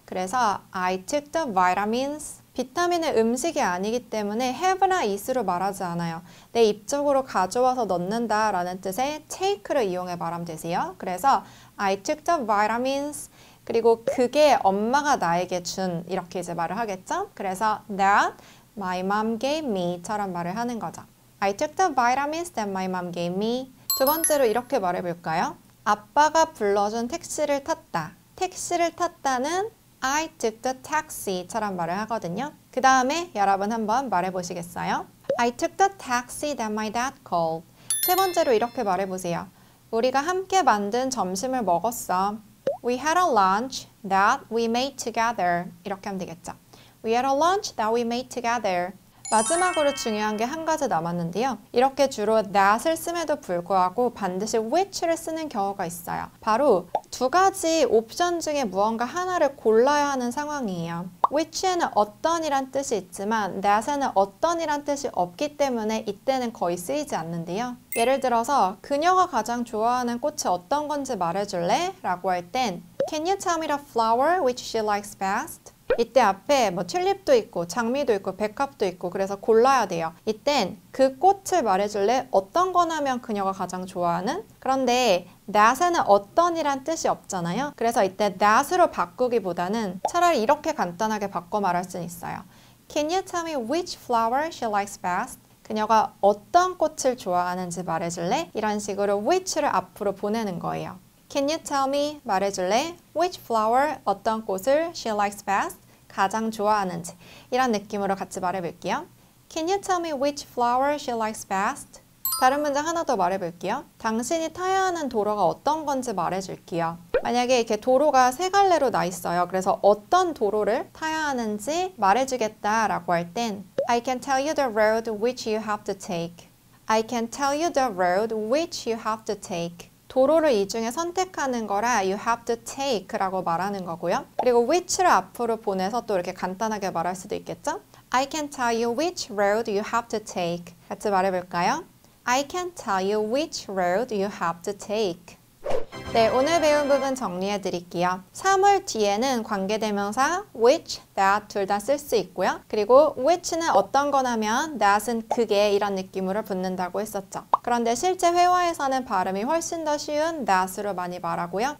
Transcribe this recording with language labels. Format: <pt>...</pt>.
<ko>그래서</ko> <en>I took the vitamins.</en> <ko>비타민은 음식이 아니기 때문에 have나 is로 말하지 않아요. 내 입쪽으로 가져와서 넣는다라는 뜻의 take를 이용해 말하면 되세요. 그래서</ko> <en>I took the vitamins.</en> <ko>그리고 그게 엄마가 나에게 준 이렇게 이제 말을 하겠죠? 그래서</ko> <en>that my mom gave me</en> <ko>처럼 말을 하는 거죠.</ko> <en>I took the vitamins that my mom gave me.</en> <ko>두 번째로 이렇게 말해볼까요? 아빠가 불러준 택시를 탔다. 택시를 탔다는</ko> <en>I took the taxi</en> <ko>처럼 말을 하거든요. 그 다음에 여러분 한번 말해보시겠어요?</ko> <en>I took the taxi that my dad called.</en> <ko>세 번째로 이렇게 말해보세요. 우리가 함께 만든 점심을 먹었어.</ko> <en>We had a lunch that we made together.</en> <ko>이렇게 하면 되겠죠.</ko> <en>We had a lunch that we made together.</en> <ko>마지막으로 중요한 게한 가지 남았는데요. 이렇게 주로 that을 씀에도 불구하고 반드시 which를 쓰는 경우가 있어요. 바로 두 가지 옵션 중에 무언가 하나를 골라야 하는 상황이에요. Which에는 어떤이란 뜻이 있지만 that에는 어떤이란 뜻이 없기 때문에 이때는 거의 쓰이지 않는데요. 예를 들어서 그녀가 가장 좋아하는 꽃이 어떤 건지 말해줄래? 라고 할땐</ko> <en>Can you tell me the flower which she likes best?</en> <ko>이때 앞에 뭐 튤립도 있고 장미도 있고 백합도 있고 그래서 골라야 돼요. 이땐 그 꽃을 말해줄래? 어떤 건 하면 그녀가 가장 좋아하는? 그런데 that에는 어떤이란 뜻이 없잖아요. 그래서 이때 that으로 바꾸기보다는 차라리 이렇게 간단하게 바꿔 말할 수 있어요.</ko> <en>Can you tell me which flower she likes best?</en> <ko>그녀가 어떤 꽃을 좋아하는지 말해줄래? 이런 식으로 which를 앞으로 보내는 거예요.</ko> <en>Can you tell me</en> <ko>말해줄래?</ko> <en>Which flower</en> <ko>어떤 꽃을</ko> <en>she likes best?</en> <ko>가장 좋아하는지 이런 느낌으로 같이 말해볼게요.</ko> <en>Can you tell me which flower she likes best?</en> <ko>다른 문장 하나 더 말해볼게요. 당신이 타야 하는 도로가 어떤 건지 말해줄게요. 만약에 이렇게 도로가 세 갈래로 나 있어요. 그래서 어떤 도로를 타야 하는지 말해주겠다라고 할땐</ko> <en>I can tell you the road which you have to take. I can tell you the road which you have to take.</en> <ko>도로를 이 중에 선택하는 거라</ko> <en>you have to take</en> <ko>라고 말하는 거고요. 그리고 which를 앞으로 보내서 또 이렇게 간단하게 말할 수도 있겠죠?</ko> <en>I can tell you which road you have to take.</en> <ko>같이 말해볼까요?</ko> <en>I can tell you which road you have to take.</en> <ko>네, 오늘 배운 부분 정리해 드릴게요. 사물 뒤에는 관계대명사 which, that 둘다쓸수 있고요. 그리고 which는 어떤 거냐면 that은 그게 이런 느낌으로 붙는다고 했었죠. 그런데 실제 회화에서는 발음이 훨씬 더 쉬운 that으로 많이 말하고요.</ko>